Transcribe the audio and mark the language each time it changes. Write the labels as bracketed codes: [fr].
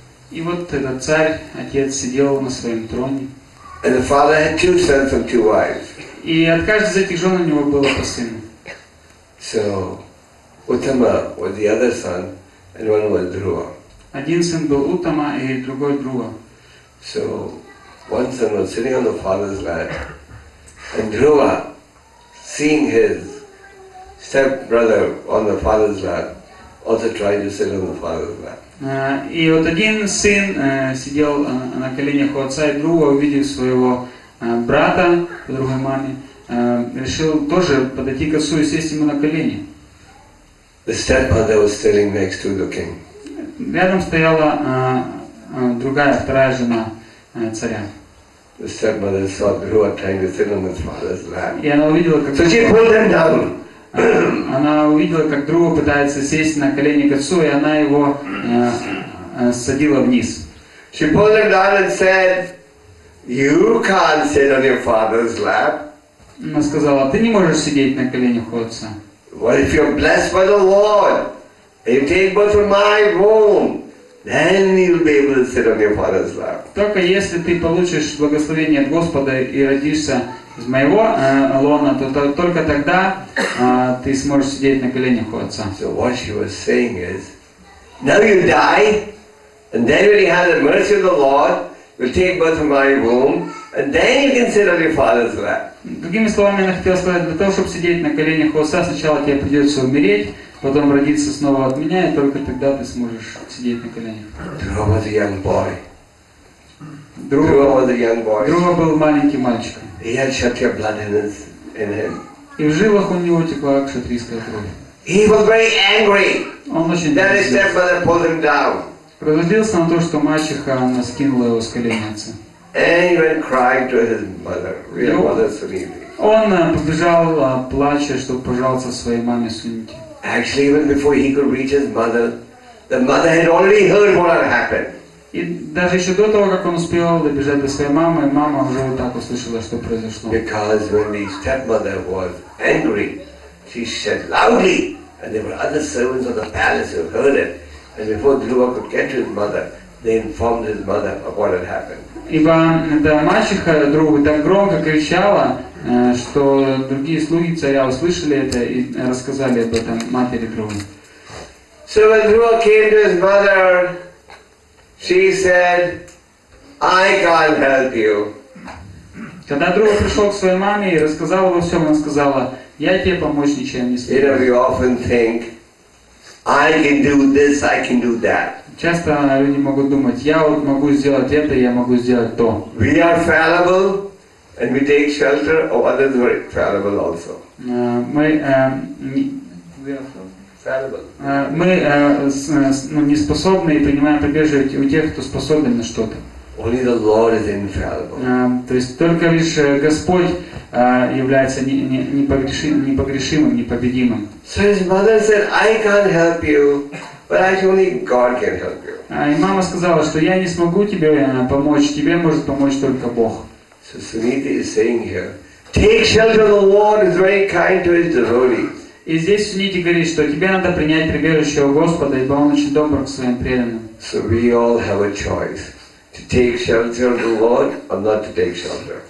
[ru] И вот этот царь, отец, сидел на своем троне. [en] And the father had two sons and two wives. [ru] И от каждой из этих жен у него было по сыну. [en] So Uttama was the other son, and one was Dhruva. [ru] Один сын был Uttama и другой Dhruva. [en] So one son was sitting on the father's lap, and Dhruva, seeing his stepbrother on the father's lap, also tried to sit on the father's lap. [ru] И вот один сын сидел на коленях у отца, и Dhruva, увидев своего брата, другой маме, решил тоже подойти к отцу и сесть ему на колени. [en] The stepmother was sitting next to the king. [ru] Рядом стояла другая, вторая жена царя. [en] The stepmother saw Dhruva trying to sit on his father's lap. [ru] И она увидела, как... [en] So she pulled him down. [ru] Она увидела, как Dhruva пытается сесть на колени к отцу, и она его садила вниз. [en] She pulled him down and said, "You can't sit on your father's lap." [ru] Она сказала, ты не можешь сидеть на коленях у отца. [en] Well, if you're blessed by the Lord, and you take birth from my womb, then you'll be able to sit on your father's lap. [ru] Только если ты получишь благословение от Господа и родишься из моего лона, то только тогда ты сможешь сидеть на коленях у отца. [en] So what she was saying is, now you die, and then when you have the mercy of the Lord, you'll take birth from my womb, and then you can sit on your father's lap. [ru] Другими словами, она хотела сказать, для того, чтобы сидеть на коленях у отца, сначала тебе придется умереть, потом родиться снова от меня, и только тогда ты сможешь сидеть на коленях. [en] Dhruva [ru] был маленьким мальчиком. [en] He had kshatriya blood in him. [ru] И в жилах у него текла кшатрийская кровь. [en] He was very angry. [ru] Он очень разозлился на то, что мачеха она скинула его с коленей отца. [en] And he cried to his mother, real mother Suniti. [ru] Он побежал, плача, чтобы пожаловаться своей маме Сунити. [en] Actually, even before he could reach his mother, the mother had already heard what had happened. [ru] И даже еще до того, как он успел добежать до своей мамы, мама уже вот так услышала, что произошло. [en] Because when the stepmother was angry, she said loudly, and there were other servants of the palace who heard it, and before Dhruva could get to his mother, they informed his mother of what had happened. [ru] Ибо да, мачеха Dhruva так громко кричала, что другие слуги царя услышали это и рассказали об этом матери Dhruva. [en] So when Dhruva came to his mother, she said, "I can't help you." [ru] Когда Dhruva пришел к своей маме и рассказал обо всем, она сказала, "Я тебе помочь ничем не смогу." [en] You know, we often think, "I can do this, I can do that." [ru] Часто люди могут думать, я вот могу сделать это, я могу сделать то. [en] We are fallible, And we take shelter of others who are fallible also. [ru] Неспособны и принимаем прибежище у тех, кто способен на что-то. [en] Only the Lord is infallible. [ru] То есть только лишь Господь является непогрешимым, непобедимым. [en] So his mother said, I can't help you, but actually God can help you. [ru] И мама сказала, что я не смогу тебе помочь, тебе может помочь только Бог. [en] So Suniti is saying here, take shelter of the Lord, is very kind to his devotees. [ru] И здесь Суниди говорит, что тебе надо принять прибежище у Господа, ибо Он очень добр к своим преданным. [en] So we all have a choice to take shelter of the Lord or not to take shelter.